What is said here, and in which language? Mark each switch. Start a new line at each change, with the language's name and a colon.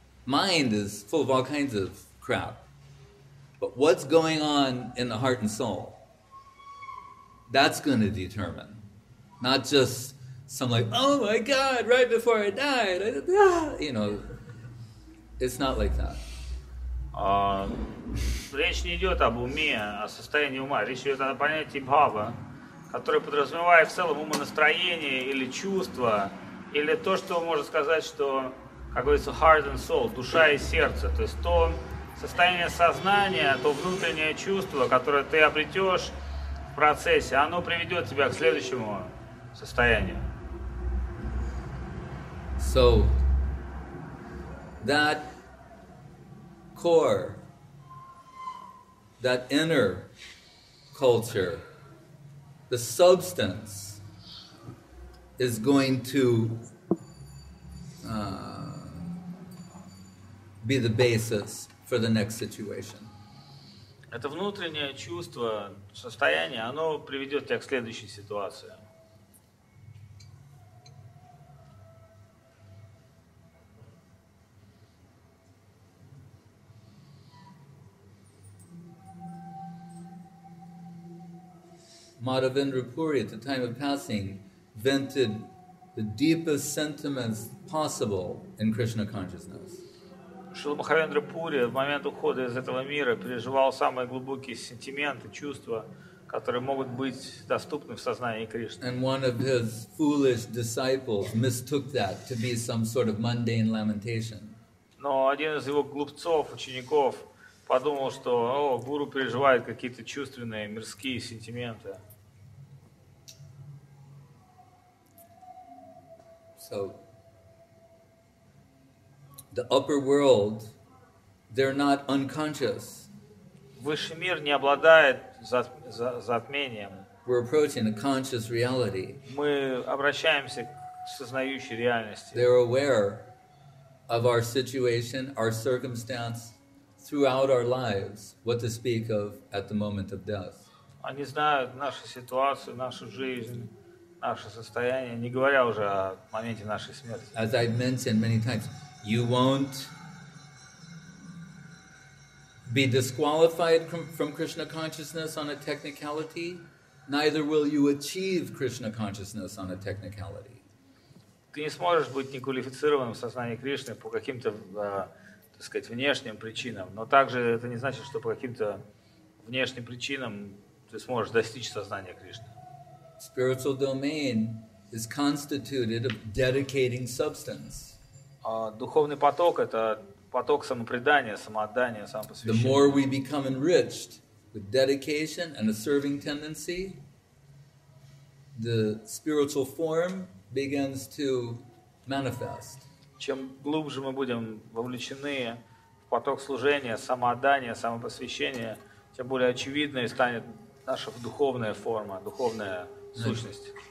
English: Mind is full of all kinds of crap. But what's going on in the heart and soul? That's going to determine. Not just some like, oh my God, right before I died. You know, it's not like that.
Russian: Речь не идет об уме, о состоянии ума. Речь идет о понятии бхава, которое подразумевает в целом умонастроение или чувство, или то, что можно сказать, что, как говорится,
English: heart and soul,
Russian: душа и сердце. То есть то состояние сознания, то внутреннее чувство, которое ты обретешь в процессе, оно приведет тебя к следующему состоянию.
English: So, that core, that inner culture, the substance is going to be the basis for the next situation.
Russian: Это внутреннее чувство, состояние, оно приведет тебя к следующей ситуации.
English: Madhavendra Puri, at the time of passing, vented the deepest sentiments possible in Krishna consciousness.
Russian: Шрила Махавендра Пури в момент ухода из этого мира переживал самые глубокие сентименты, чувства, которые могут быть доступны в сознании Кришны.
English: And one of his foolish disciples mistook that to be some sort of mundane lamentation.
Russian: Но один из его глупцов, учеников, подумал, что гуру переживает какие-то чувственные, мирские сентименты.
English: So, the upper world, they're not unconscious.
Russian: Высший мир не обладает затмением.
English: We're approaching a conscious reality.
Russian: Мы обращаемся к сознающей реальности.
English: They're aware of our situation, our circumstance, throughout our lives, what to speak of at the moment of death.
Russian: Они знают нашу ситуацию, нашу жизнь, наше состояние, не говоря уже о моменте нашей смерти.
English: As I've mentioned many times, you won't be disqualified from Krishna consciousness on a technicality, neither will you achieve Krishna consciousness on a technicality.
Russian: Ты не сможешь быть неквалифицированным в сознании Кришны по каким-то, так сказать, внешним причинам, но также это не значит, что по каким-то внешним причинам ты сможешь достичь сознания Кришны.
English: Spiritual domain is constituted of dedicating substance.
Russian: Духовный поток – это поток самопредания, самоотдания, самопосвящения.
English: The more we become enriched with dedication and a serving tendency, the spiritual form begins to manifest.
Russian: Чем глубже мы будем вовлечены в поток служения, самоотдания, самопосвящения, тем более очевидной станет наша духовная форма, духовная сущность.